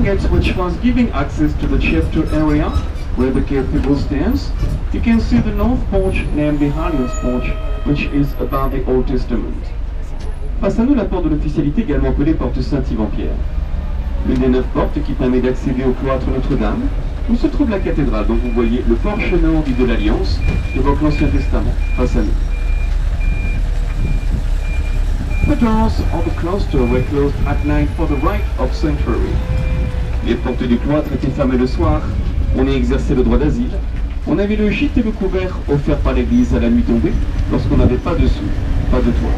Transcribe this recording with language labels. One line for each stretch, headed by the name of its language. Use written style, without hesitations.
English: Which was giving access to the chapter area where the cathedral stands, you can see the north porch named the Hallion's Porch, which is about the Old Testament.
French: Face à nous, la porte de l'officialité, également appelée porte Saint-Yvan-Pierre. L'une des neuf portes qui permet d'accéder au cloître Notre-Dame, où se trouve la cathédrale, dont vous voyez le porche nord dit de l'Alliance, évoque l'Ancien Testament, face à nous.
English: The doors of the cloister were closed at night for the rite of sanctuary.
French: Les portes du cloître étaient fermées le soir, on y exerçait le droit d'asile, on avait le gîte et le couvert offert par l'église à la nuit tombée, lorsqu'on n'avait pas de sous, pas de toit.